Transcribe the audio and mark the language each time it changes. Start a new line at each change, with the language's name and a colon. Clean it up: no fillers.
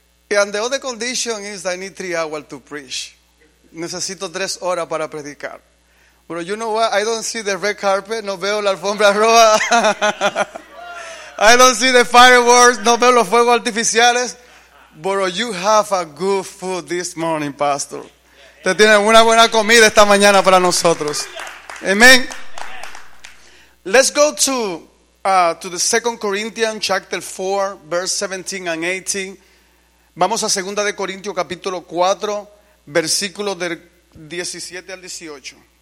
English: And the other condition is I need 3 hours to preach.
Spanish: Necesito 3 horas para predicar.
English: But you know what? I don't see the red carpet.
Spanish: No veo la alfombra roja.
English: I don't see the fireworks.
Spanish: No veo los fuegos artificiales.
English: But you have a good food this morning, Pastor.
Spanish: Te tienen una buena comida esta mañana para nosotros.
English: Amen. Let's go to the 2 Corinthians chapter 4, verse 17 and 18.
Spanish: Vamos a 2 de Corintios capítulo 4, versículo del 17 al 18.